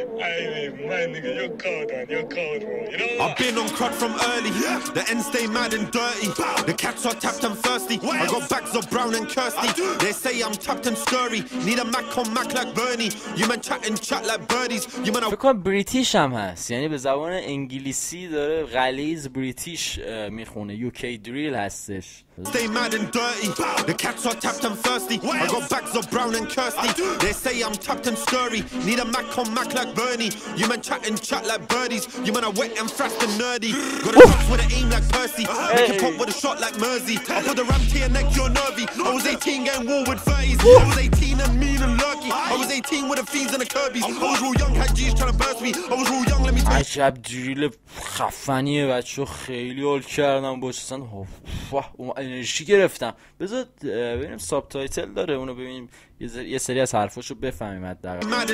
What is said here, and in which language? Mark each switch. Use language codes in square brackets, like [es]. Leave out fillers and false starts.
[en] I mean, my nigga, you're cold, man. You're cold, bro. You know what? I've been on crud from early. The ends stay mad and dirty. The cats are tapped and thirsty. I got bags of brown and Kirsty. They say I'm tapped and scurry. Need a Mac on Mac like Bernie. You man chatting chat like birdies. You man. [fa] فکر کنم بریتیش هم هست، یعنی به زبان انگلیسی داره غلیظ بریتیش میخونه. UK drill هستش. [en] Stay mad and dirty. The cats are tapped and thirsty. I got bags of brown and Kirsty. They say I'm tapped and scurry. Need a Mac on Mac like Bernie. You man chatting chat like birdies. You man are wet and frost and nerdy. Got a drops with an aim like Percy. Make a pop with a shot like Mersey. I put the ram to your neck, you're nervy. I was 18 getting war with 30s. I was 18 and mean and lurky. I was 18 with the fiends and the Kirby's. I was real young, had G's trying to burst me. I was real young, let me tell you. [fa] عجب دریل خفنیه بچه، خیلی حال کردم باش. اصلا انرژی گرفتم. بذار ببینیم ساب تایتل داره، اونو ببینیم یه سری از حرفاشو بفهمیم حداقل.